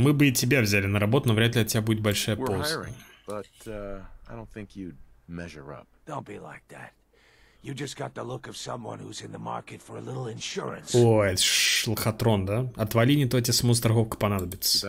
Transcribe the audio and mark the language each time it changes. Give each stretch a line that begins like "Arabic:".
Russian: Мы бы и тебя взяли на работу, но вряд ли от тебя будет большая польза.
English: We're hiring, but I don't think you'd measure up. Don't be like that. You just got the look of someone who's in the market for a little insurance.
Russian: О, это ж лохотрон, да? Отвали, не то тебе саму страховка понадобится.